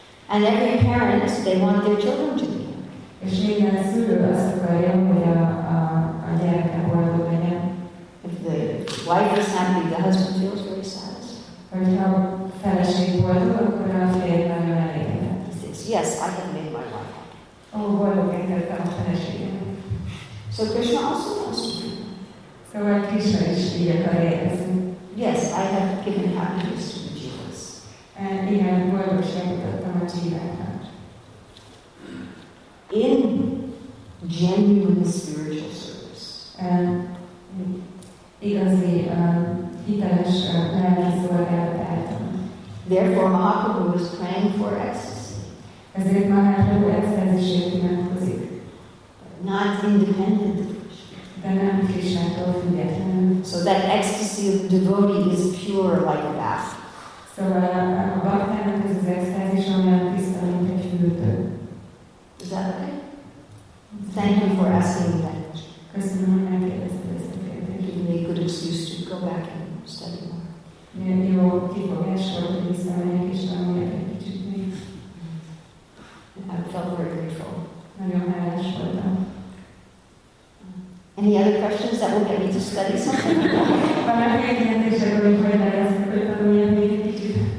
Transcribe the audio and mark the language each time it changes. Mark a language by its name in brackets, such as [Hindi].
[English] And every parent, they want their children to be [Hungarian] És minden szülő azt akarja, hogy a gyereke boldog legyen. [English] If the wife is happy, the husband feels very satisfied. [Hungarian] Hogyha a feleség boldog, akkor a férj nagyon elégedett. [English] He says, yes, I have made my wife happy. [Hungarian] Oh, boldog, én tettem a feleségem. [English] So Krishna also wants to do. [Hungarian] Szóval Krishna is így akarja érezni. [English] Yes, I have given happiness to the jivas. [Hungarian] Igen, boldogságot adtam a jivaknak. [English] In genuine spiritual service. [Hungarian] Igazi hiteles lelki szolgálatát. [English] Therefore, Mahaprabhu is praying for ecstasy. [Hungarian] Ezért Mahaprabhu ecstasy-ért imádkozik. [English] Not independent. [Hungarian] De nem Krisnától függetlenül. [English] So that ecstasy of the devotee is pure like a bath. [Hungarian] Szóval a baktának ez az ecstasy olyan tiszta, mint egy fürdő. [English] Is that okay? Thank you for asking me that question. Give me a good excuse to go back and study more. [Hungarian] Mert jó kifogás volt, hogy visszamegyek és tanuljak egy kicsit még. [English] I felt very grateful. [Hungarian] Nagyon hálás voltam. [English] Any other questions that will get me to study something? [Hungarian] Van már egy ilyen kérdés, hogy folytatni ezt, hogy tanuljam még egy kicsit.